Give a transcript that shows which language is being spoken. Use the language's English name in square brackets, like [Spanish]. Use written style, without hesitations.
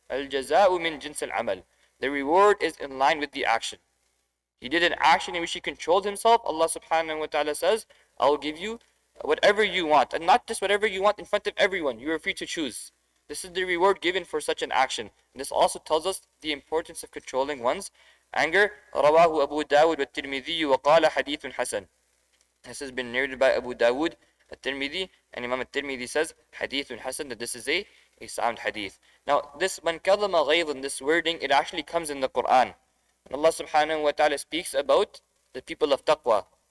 [Arabic] Al-jaza'u min jins al-amal. [English] The reward is in line with the action. He did an action in which he controlled himself. Allah subhanahu wa ta'ala says, I'll give you whatever you want. And not just whatever you want in front of everyone. You are free to choose. This is the reward given for such an action. And this also tells us the importance of controlling one's anger. [Arabic] رواه أبو داود والترمذي وقال حديث حسن. [English] This has been narrated by Abu Dawood al-Tirmidhi, and Imam al-Tirmidhi says [Arabic] حديث حسن, [English] that this is a sound hadith. Now this [Arabic] من كظم غيظا, [English] this wording, it actually comes in the Quran. And Allah subhanahu wa ta'ala speaks about the people of taqwa.